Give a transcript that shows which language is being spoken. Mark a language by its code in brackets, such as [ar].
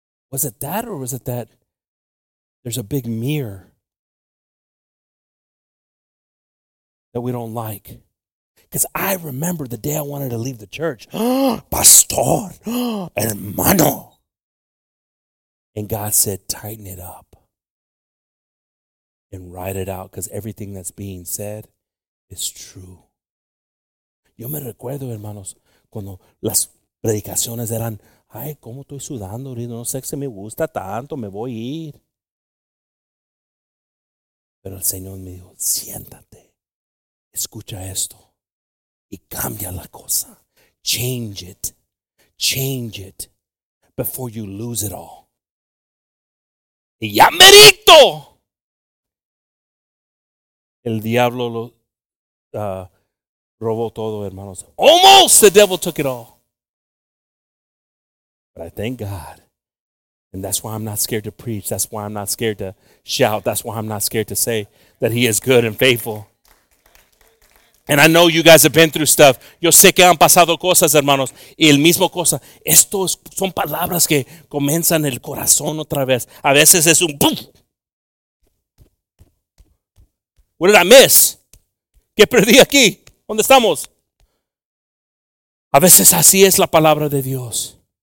[en] Was it that or was it that? There's a big mirror that we don't like. Because I remember the day I wanted to leave the church. Pastor, hermano. And God said, tighten it up and write it out. Because everything that's being said is true. [es] Yo me recuerdo, hermanos, cuando las predicaciones eran, ay, cómo estoy sudando, no sé si me gusta tanto, me voy a ir. Pero el Señor me dijo, siéntate, escucha esto y cambia la cosa. [en] Change it before you lose it all. [es] Y ya merito. El diablo lo robó todo, hermanos. [en] Almost the devil took it all. But I thank God. And that's why I'm not scared to preach. That's why I'm not scared to shout. That's why I'm not scared to say that he is good and faithful. And I know you guys have been through stuff. [es] Yo sé que han pasado cosas, hermanos. Y el mismo cosa. Estos son palabras que comienzan el corazón otra vez. A veces es un boom. [en] What did I miss? [es] ¿Qué perdí aquí? ¿Dónde estamos? A veces así es la palabra de Dios.